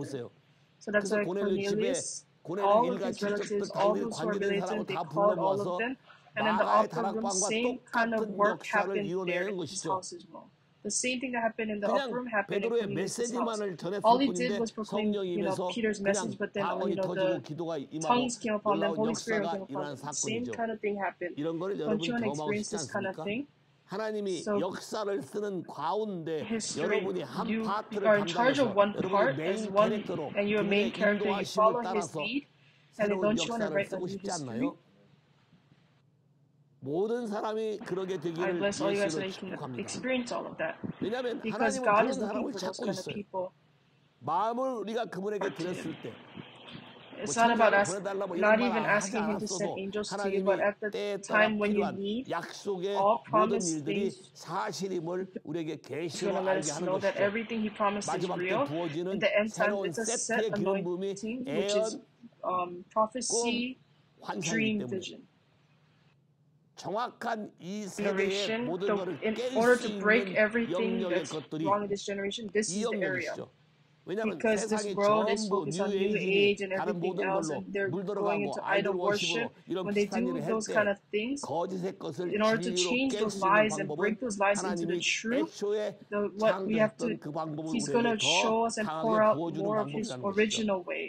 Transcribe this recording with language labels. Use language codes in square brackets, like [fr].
[en] So that's why Cornelius, all of his relatives, all of who were related, they called all of them, and then the upper room, same kind of work happened there in his house as well. The same thing that happened in the upper room happened in Cornelius' house. All he did was proclaim, you know, Peter's message, but then, you know, the tongues came upon them, Holy Spirit came upon them. The same kind of thing happened. Don't you want to experience this kind of thing? [ko] 하나님이 so, 역사를 쓰는 가운데 [en] history, [ko] 여러분이 한 파트를 담당해서 여러분의 메인 캐릭터로 그분의 인도하심을 따라서 새로운 역사를 쓰고 싶지 않나요? 모든 사람이 그러게 되기를 예수로 축복합니다. 왜냐하면 하나님은 그런 사람을 찾고 있어요. 마음을 우리가 그분에게 드렸을 때 [en] It's not about asking, not even asking him to send angels to you, but at the time when you need, all promised things, he's going to let us know that everything he promised is real. In the end time, it's a set anointing, which is prophecy, dream, vision. [ko] 정확한 이 세대의 모든 것을 깨울 수 있는 영역의 것들이 이 영역이죠. 왜냐하면 세상이 전부 뉴에이지니 다른 모든 걸로 물들어가고 아이돌 워십으로 이런 비슷한 일을 했을 때 거짓의 것을 진리로 깰 수 있는 방법은 하나님이 애초에 창조했던 그 방법을 우리에게 더 강하게 부어주는 방법이라는 것이죠.